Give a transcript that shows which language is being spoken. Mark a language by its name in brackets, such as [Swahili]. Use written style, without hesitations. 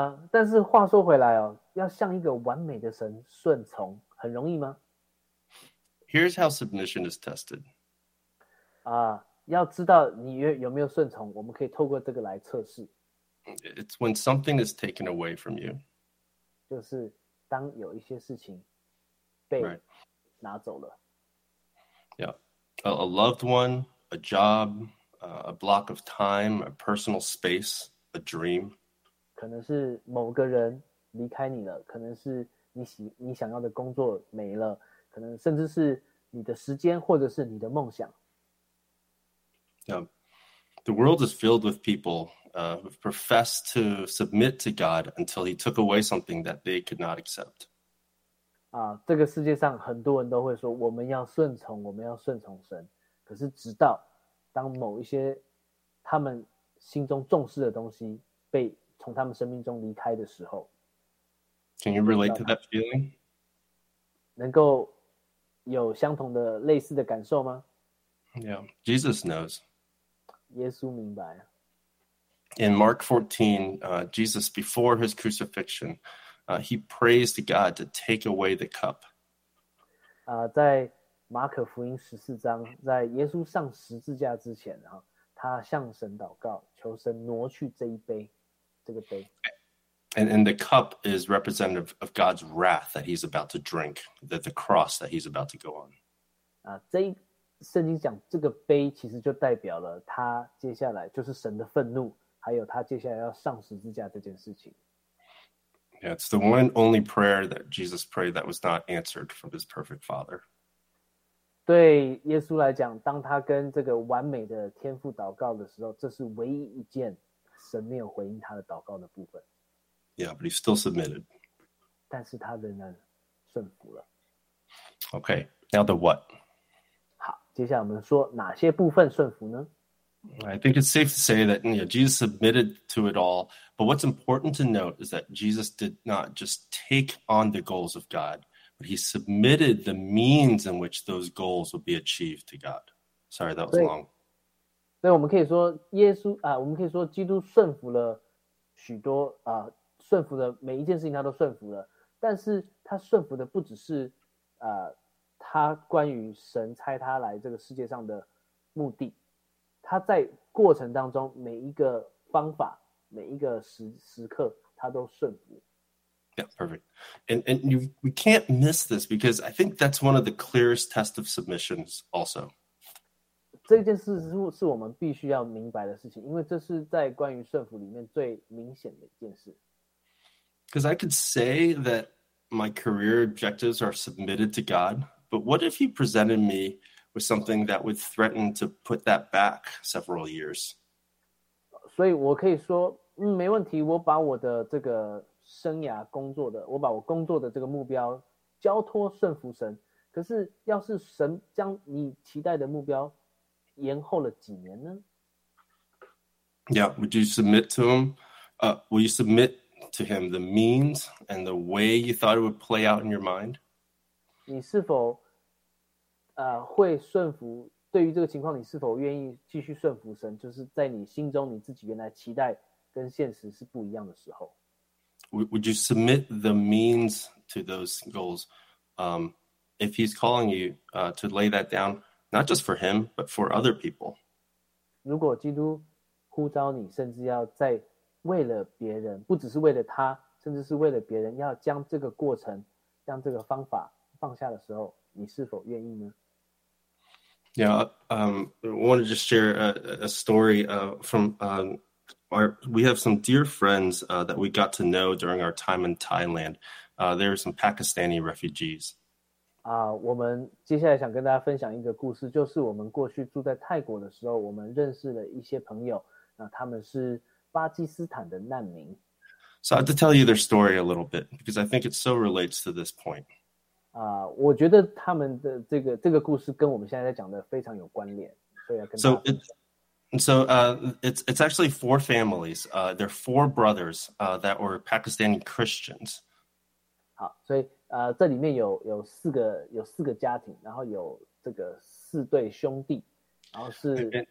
[Chinese] 但是话说回来哦，要向一个完美的神顺从，很容易吗？ [English] Here's how submission is tested. [Chinese] 要知道你有没有顺从，我们可以透过这个来测试。 [English] It's when something is taken away from you. [Chinese] 就是当有一些事情被拿走了。 [English] Yeah. A loved one, a job, a block of time, a personal space, a dream. [Chinese] 可能是某个人离开你了，可能是你想要的工作没了，可能甚至是你的时间或者是你的梦想。 [English] Yeah, the world is filled with people who profess to submit to God until he took away something that they could not accept. [Chinese] 这个世界上很多人都会说我们要顺从，我们要顺从神。可是直到当某一些他们心中重视的东西被从他们生命中离开的时候 [English] ，Can you relate to that feeling？ [Chinese] 能够有相同的类似的感受吗 [English] ？Yeah, Jesus knows. [Chinese] 耶稣明白。 [English] In Mark 14, Jesus, before his crucifixion, he prays to God to take away the cup. [Chinese] 在马可福音十四章，在耶稣上十字架之前，他向神祷告，求神挪去这一杯，这个杯。 [English] And the cup is representative of God's wrath that he's about to drink, that the cross that he's about to go on. [Chinese] 圣经讲这个杯其实就代表了他接下来就是神的愤怒，还有他接下来要上十字架这件事情。 [English] Yeah, it's the one only prayer that Jesus prayed that was not answered from his perfect father. [Chinese] 对耶稣来讲，当他跟这个完美的天父祷告的时候，这是唯一一件神没有回应他的祷告的部分。 [English] Yeah, but he still submitted. [Chinese] 但是他仍然顺服了。 [English] Okay, now the what? [Chinese] 接下来我们说哪些部分顺服呢？ [English] I think it's safe to say that you know, Jesus submitted to it all, but what's important to note is that Jesus did not just take on the goals of God, but he submitted the means in which those goals would be achieved to God. Sorry, that was long. [Chinese] 对，我们可以说耶稣啊，我们可以说基督顺服了许多啊，顺服了每一件事情他都顺服了，但是他顺服的不只是啊。他关于神差他来这个世界上的目的，他在过程当中每一个方法，每一个时刻，他都顺服。 [English] Yeah, perfect. And you, we can't miss this because I think that's one of the clearest test of submissions also. [Chinese] 这件事是我们必须要明白的事情，因为这是在关于顺服里面最明显的一件事。 [English] Because I could say that my career objectives are submitted to God. But what if he presented me with something that would threaten to put that back several years? [Chinese] 所以我可以说，没问题，我把我的这个生涯工作的，我把我工作的这个目标交托顺服神。可是要是神将你期待的目标延后了几年呢？ [English] Yeah, would you submit to him? Will you submit to him the means and the way you thought it would play out in your mind? [Chinese] 你是否会顺服，对于这个情况你是否愿意继续顺服神，就是在你心中你自己原来期待跟现实是不一样的时候。 [English] Would you submit the means to those goals? If he's calling you to lay that down, not just for him, but for other people. [Chinese] 如果基督呼召你，甚至要在为了别人，不只是为了他，甚至是为了别人，要将这个过程，将这个方法放下的时候，你是否愿意呢？ [English] Yeah, I want to just share a story from our. We have some dear friends that we got to know during our time in Thailand. There are some Pakistani refugees. [Chinese] 我们接下来想跟大家分享一个故事，就是我们过去住在泰国的时候，我们认识了一些朋友。那他们是巴基斯坦的难民。 [English] So I have to tell you their story a little bit because I think it so relates to this point. [Chinese] 我觉得他们的这个故事跟我们现在在讲的非常有关联，所以要跟。 [English] So it's actually four families. They're four brothers. That were Pakistani Christians. [Chinese] 好，所以这里面有四个家庭，然后有这个四对兄弟，然后是。